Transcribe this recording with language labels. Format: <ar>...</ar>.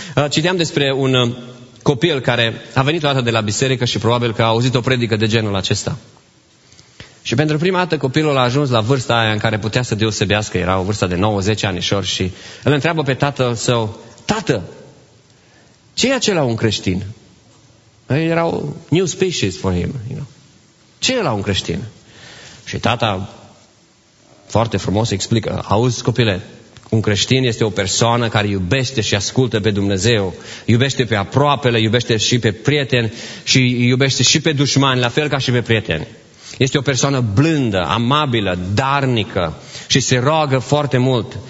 <ro>Citeam despre un copil care a venit o dată de la biserică și probabil că a auzit o predică de genul acesta. Și pentru prima dată copilul a ajuns la vârsta aia în care putea să deosebească, era o vârstă de 9-10 anișori, și îl întreabă pe tatăl său, tată, ce e acela un creștin? Era o</ro> <en>new species for him, you know.</en> <ro>Ce e la un creștin? Și tata foarte frumos explică, auzi copile, un creștin este o persoană care iubește și ascultă pe Dumnezeu, iubește pe aproapele, iubește și pe prieteni și iubește și pe dușmani, la fel ca și pe prieteni. Este o persoană blândă, amabilă, darnică și se roagă foarte mult.</ro>